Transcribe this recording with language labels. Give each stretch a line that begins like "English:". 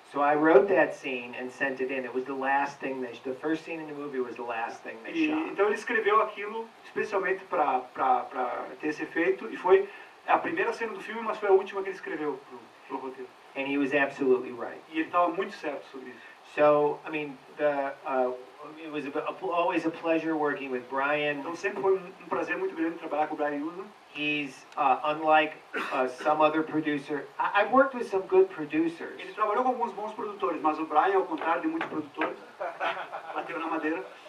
English: So I wrote that scene and sent it in. It was the last thing they the first scene in the movie was the last thing they shot.
Portuguese: Então ele escreveu aquilo especialmente para ter esse efeito e foi a primeira cena do filme, mas foi a última que ele escreveu pro roteiro.
English: And he was absolutely right.
Portuguese: E ele estava muito certo sobre isso.
English: So, I mean, the It was always a pleasure working with Brian.
Portuguese: Então sempre foi um prazer muito grande trabalhar com o Brian Usman.
English: He's unlike some other producer. I've worked with some good producers.
Portuguese: Ele trabalhou com alguns bons produtores, mas o Brian, ao contrário de muitos produtores, bateu na madeira.